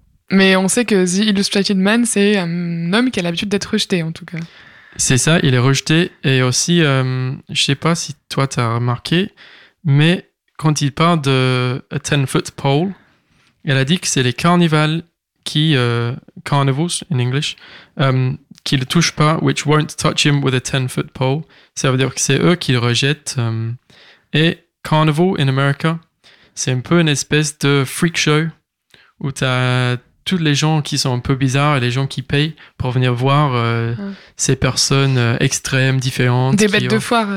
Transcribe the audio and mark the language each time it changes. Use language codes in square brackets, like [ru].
[fr] Mais on sait que The Illustrated Man, c'est un homme qui a l'habitude d'être rejeté, en tout cas. C'est ça, il est rejeté. Et aussi, je ne sais pas si toi, tu as remarqué, mais quand il parle de [en] a 10-foot pole, [fr] elle a dit que c'est les carnivals qui... carnivals, [en] in English, [fr] qui ne le touchent pas, [en] which won't touch him with a 10-foot pole. [fr] Ça veut dire que c'est eux qui le rejettent. Et carnival, [en] in America... [fr] C'est un peu une espèce de freak show où tu as tous les gens qui sont un peu bizarres et les gens qui payent pour venir voir ces personnes extrêmes, différentes. Des bêtes de foire.